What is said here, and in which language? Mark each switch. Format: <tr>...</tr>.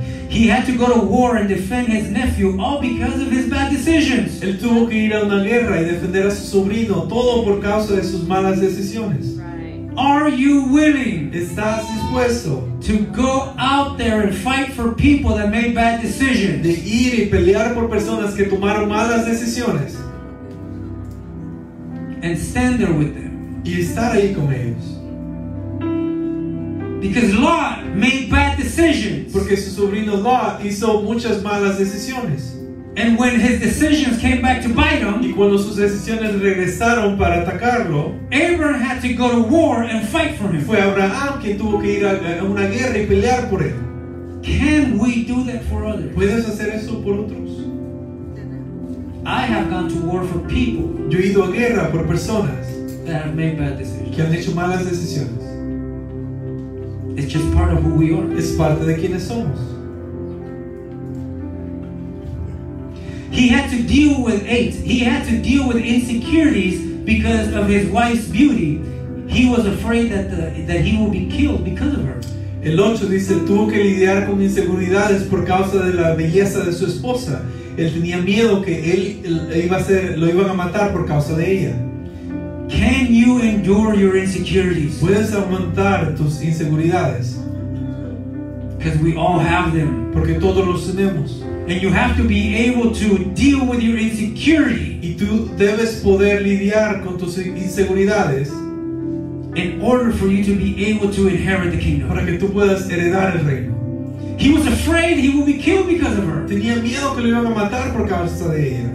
<en>He had to go to war and defend his nephew all because of his bad decisions.</en> <es>Él tuvo que ir a una guerra y defender a su sobrino todo por causa de sus malas decisiones.</es> <en>Right. Are you willing?</en> <es>¿Estás dispuesto?</es> <en>To go out there and fight for people that made bad decisions.</en> <es>De ir y pelear por personas que tomaron malas decisiones.</es> <en>And stand there with them.</en> <es>Y estar ahí con ellos.</es> <en>Because Lot made bad decisions.</en> <es>Porque su sobrino Lot hizo muchas malas decisiones.</es> <en>And when his decisions came back to bite him,</en> <es>y cuando sus decisiones regresaron para atacarlo,</es> <en>Abraham had to go to war and fight for him.</en> <es>Fue Abraham quien tuvo que ir a una guerra y pelear por él.</es> <en>Can we do that for others?</en> <es>¿Puedes hacer eso por otros?</es> <en>I have gone to war for people.</en> <es>Yo he ido a guerra por personas</es> <en>that have made bad decisions.</en> <es>Que han hecho malas decisiones.</es> <en>It's just part of who we are.</en> <es>Es parte de quienes somos.</es> <en>He had to deal with hate. He had to deal with insecurities because of his wife's beauty. He was afraid that that he would be killed because of her.</en> <es>El 8 dice, tuvo que lidiar con inseguridades por causa de la belleza de su esposa. Él tenía miedo que lo iban a matar por causa de ella.</es> <en>Can you endure your insecurities?</en> <es>¿Puedes aguantar tus inseguridades?</es> <en>Because we all have them.</en> <es>Porque todos los tenemos.</es> <en>And you have to be able to deal with your insecurity.</en> <es>Y tú debes poder lidiar con tus inseguridades.</es> <en>In order for you to be able to inherit the kingdom.</en> <es>Para que tú puedas heredar el reino.</es> <en>He was afraid he would be killed because of her.</en> <es>Tenía miedo que lo iban a matar por causa de ella.</es>